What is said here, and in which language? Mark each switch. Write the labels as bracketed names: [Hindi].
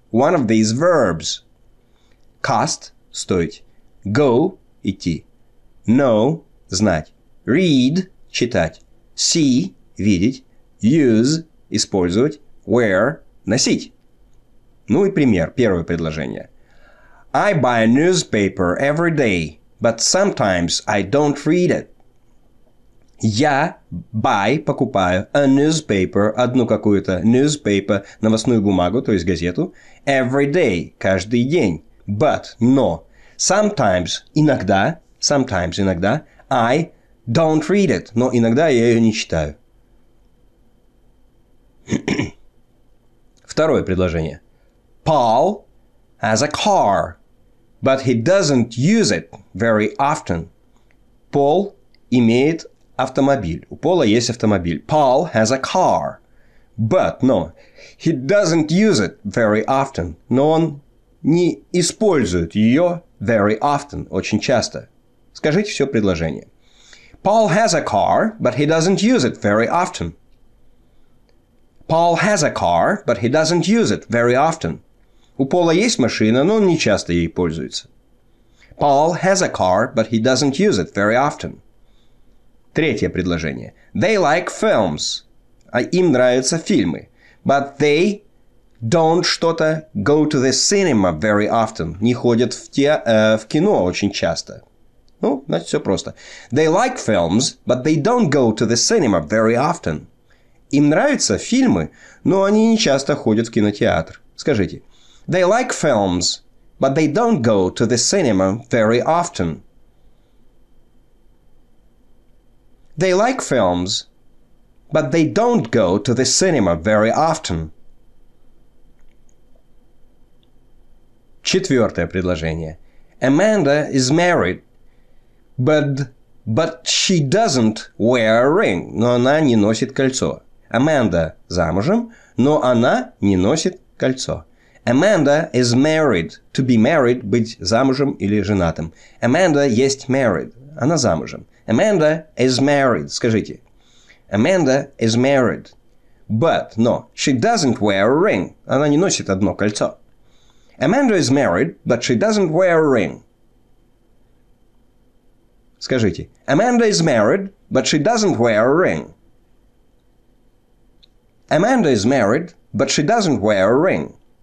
[English] One of these verbs. Cost – стоить. Go – идти. Know – знать. Read – читать. See – видеть. Use – использовать. Wear – носить. [Russian] Ну и пример, первое предложение. [English] I buy a newspaper every day, but sometimes I don't read it. [Russian] Я [English] buy [Russian] – покупаю [English] a newspaper, [Russian] одну какую-то [English] newspaper, [Russian] новостную бумагу, то есть газету, [English] every day [Russian] – каждый день. [English] But [Russian] – но. [English] Sometimes – [Russian] иногда. [English] Sometimes, иногда. I don't read it. [Russian] Но иногда я ее не читаю. Второе предложение. [English] Paul has a car, but he doesn't use it very often. [Russian] Paul имеет автомобиль. У Пола есть автомобиль. [English] Paul has a car. But, no, he doesn't use it very often. [Russian] Но он не использует ее [English] very often, [Russian] очень часто. Скажите все предложение. [English] Paul has a car, but he doesn't use it very often. Paul has a car, but he doesn't use it very often. [Russian] У Пола есть машина, но он не часто ей пользуется. [English] Paul has a car, but he doesn't use it very often. [Russian] Третье предложение. [English] They like films. [Russian] А им нравятся фильмы. [English] But they don't [Russian] что-то [English] go to the cinema very often. [Russian] Не ходят в кино очень часто. Ну, значит, все просто. [English] They like films, but they don't go to the cinema very often. [Russian] Им нравятся фильмы, но они не часто ходят в кинотеатр. Скажите. [English] They like films, but they don't go to the cinema very often. They like films, but they don't go to the cinema very often. [Russian] Четвертое предложение. [English] Amanda is married. But she doesn't wear a ring. [Russian] Но она не носит кольцо. Amanda замужем, но она не носит кольцо. [English] Amanda is married. To be married – [Russian] быть замужем или женатым. Amanda есть married. Она замужем. [English] Amanda is married. [Russian] Скажите. [English] Amanda is married. But, no, she doesn't wear a ring. [Russian] Она не носит одно кольцо. [English] Amanda is married, but she doesn't wear a ring. [Russian] Скажите, [English] Amanda is married, but she doesn't wear a ring. Amanda is married, but she doesn't wear a ring.